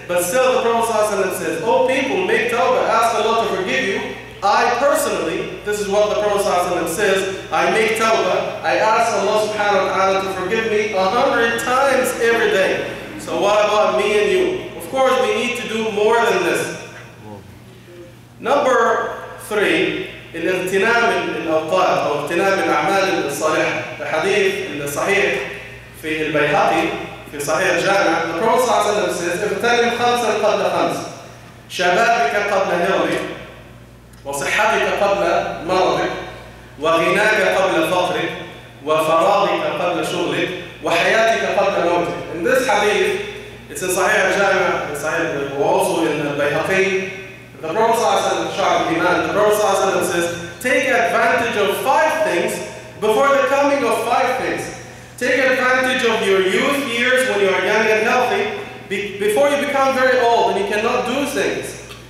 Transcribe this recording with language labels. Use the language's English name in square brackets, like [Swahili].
[English] But still the Prophet ﷺ says, oh people, make tawbah, ask Allah to forgive you. I personally, this is what the Prophet ﷺ says, I make tawbah, I ask Allah subhanahu wa ta'ala to forgive me 100 times every day. So what about me and you? Of course we need to do more than this. Number three, [Arabic] in al-tinam al-awqat, or al-tinam al-a'mal al-salih, [English] the hadith in the sahih, [Arabic] fi al-bayhaqi, في صحيح الجامع الرسول صلى الله عليه وسلم قال اغتنم خمسا قبل خمس شبابك قبل هرمك وصحتك قبل مرضك وغناك قبل فقرك وفراغك قبل شغلك وحياتك قبل موتك. [English] In this hadith, it's in صحيح الجامع, it's in the Bukhari and Bayhaqi. The Prophet صلى الله عليه وسلم, شعب الإيمان, the Prophet صلى الله عليه وسلم says, take advantage of five things before the coming of five things. Take advantage of your youth years when you are young and healthy before you become very old and you cannot do things.